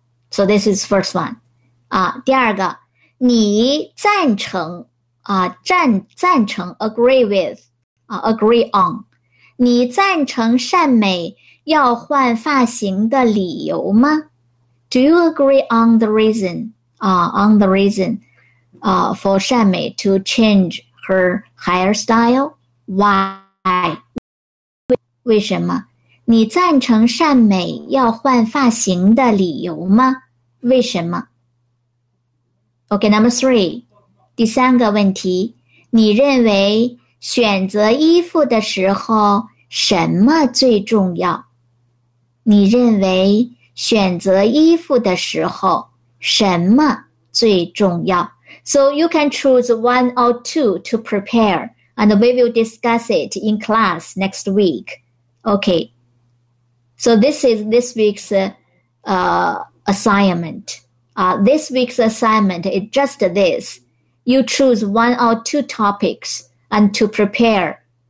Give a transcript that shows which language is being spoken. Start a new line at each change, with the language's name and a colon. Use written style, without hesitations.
English: So this is first one.
Chinese: 第二个，你赞成赞成
English: agree with, agree on。
Chinese: 你赞成善美要换发型的理由吗？
English: Do you agree on the reason, for 善美 to change her hairstyle? Why?
Chinese: 为什么？你赞成善美要换发型的理由吗？为什么？
English: Okay, number three.
Chinese: 第三个问题，你认为选择衣服的时候什么最重要？你认为选择衣服的时候什么最重要？
English: So you can choose one or two to prepare, and we will discuss it in class next week. Okay. So this is this week's assignment. This week's assignment is just this. You choose one or two topics and to prepare.